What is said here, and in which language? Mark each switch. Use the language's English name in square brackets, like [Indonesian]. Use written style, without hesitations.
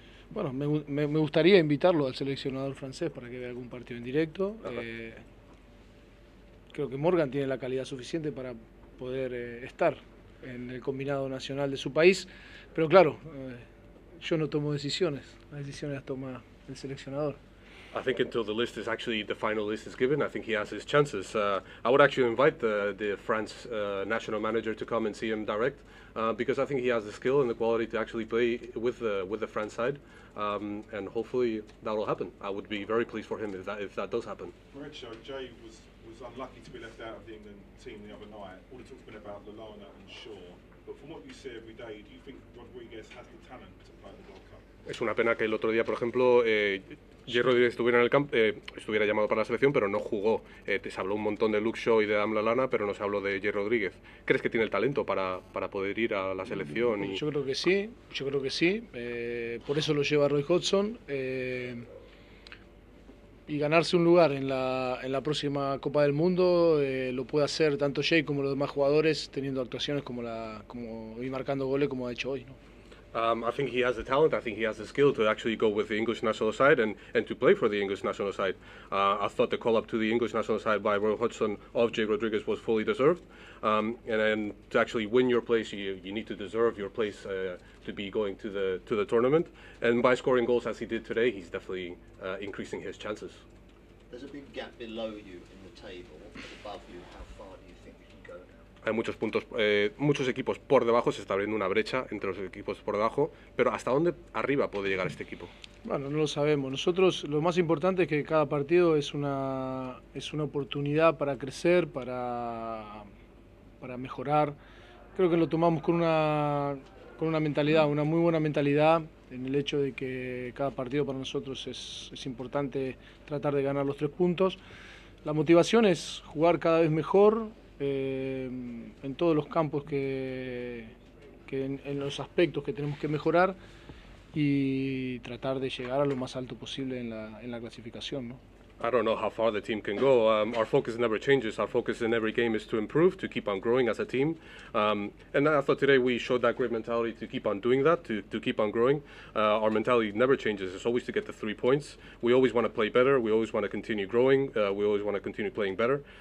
[Spanish] Bueno, me gustaría invitarlo al seleccionador francés para que vea algún partido en directo. Creo que Morgan tiene la calidad suficiente para poder estar en el combinado nacional de su país, pero claro, yo no tomo decisiones, las decisiones las toma el seleccionador. [English] I think until the list is actually the final list is given, I think he has his chances. I would actually invite the France national manager to come and see him direct, because I think he has the skill and the quality to actually play with the France side, and hopefully that will happen. I would be very pleased for him if that does happen. Mauricio, Jay was unlucky to be left out of the England team the other night. All the talk's been about Lallana and Shaw, but from what you see every day, do you think Rodriguez has the talent to play the World Cup? [Spanish] Es una pena que el otro día, por ejemplo, Jay Rodríguez estuviera llamado para la selección, pero no jugó. Se habló un montón de Luke Shaw y de Adam Lallana, pero no se habló de Jay Rodríguez. ¿Crees que tiene el talento para poder ir a la selección? Yo creo que sí, yo creo que sí. Por eso lo lleva Roy Hodgson. Y ganarse un lugar en la próxima Copa del Mundo lo puede hacer tanto Jay como los demás jugadores, teniendo actuaciones y marcando goles como ha hecho hoy, ¿no? [English] I think he has the talent. I think he has the skill to actually go with the English national side and to play for the English national side. I thought the call up to the English national side by Roy Hodgson of Jay Rodríguez was fully deserved. And to actually win your place, you need to deserve your place to be going to the tournament. And by scoring goals as he did today, he's definitely increasing his chances. There's a big gap below you in the table, but above you, how far do you think you can go now? [Spanish] Hay muchos puntos, muchos equipos por debajo, se está abriendo una brecha entre los equipos por debajo, pero ¿hasta dónde arriba puede llegar este equipo? Bueno, no lo sabemos. Nosotros lo más importante es que cada partido es una oportunidad para crecer, para mejorar. Creo que lo tomamos con una mentalidad, una muy buena mentalidad, en el hecho de que cada partido para nosotros es importante tratar de ganar los 3 puntos. La motivación es jugar cada vez mejor. En todos los campos que en los aspectos que tenemos que mejorar y tratar de llegar a lo más alto posible en la clasificación, ¿no? [English] I don't know how far the team can go. Our focus never changes. Our focus in every game is to improve, to keep on growing as a team. And I thought today we showed that great mentality to keep on doing that, to keep on growing. Our mentality never changes. It's always to get the 3 points. We always want to play better. We always want to continue growing. We always want to continue playing better.